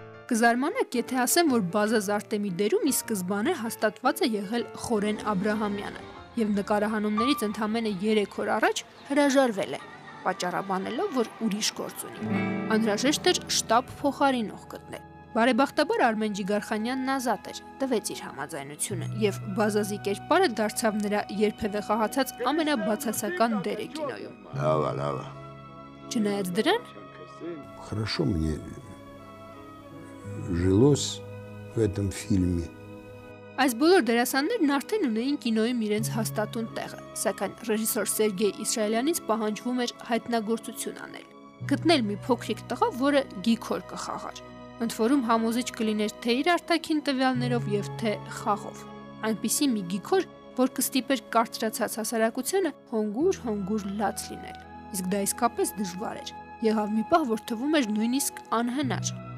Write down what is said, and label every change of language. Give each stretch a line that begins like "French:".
Armenian: Կզարմանաք, եթե ասեմ, որ Բազազ Արտեմի դերում ի սկզբանե հաստատված է եղել Խորեն Աբրահամյանը, եւ նկարահանումներից ընդամենը 3 օր առաջ հրաժարվել է, պատճառաբանելով, որ ուրիշ գործ ունի։ Անհրաժեշտ էր շտապ փոխարինող գտնել։ Բարեբախտաբար Արմեն Ջիգարխանյանն ազատ էր, տվեց իր համաձայնությունը, եւ Բազազի կերպարը դարձավ նրա երբևէ խաղացած ամենաբացասական դերը կինոյում։ Լավ, լավ։ Չնայած դրան,
Russian: хорошо мне жилось в этом фильме.
Armenian: Այս բոլոր դերասաններն արդեն ունեին կինոյում իրենց հաստատուն տեղը, սակայն ռեժիսոր Սերգեյ Իսրայելյանից պահանջվում էր հայտնագործություն անել, գտնել մի փոքրիկ տղա, որը Գիգոր կխաղար։ Ընդ որում համոզիչ կլիներ թե իր արտաքին տվյալներով եւ թե խաղով։ Այնպիսի մի Գիգոր, որ կստիպեր կարծրացած հասարակությունը հոնգուր լաց լինել։ Իսկ դա իսկապես դժվար էր։ Եղավ մի պահ, որ թվում էր նույնիսկ անհնար։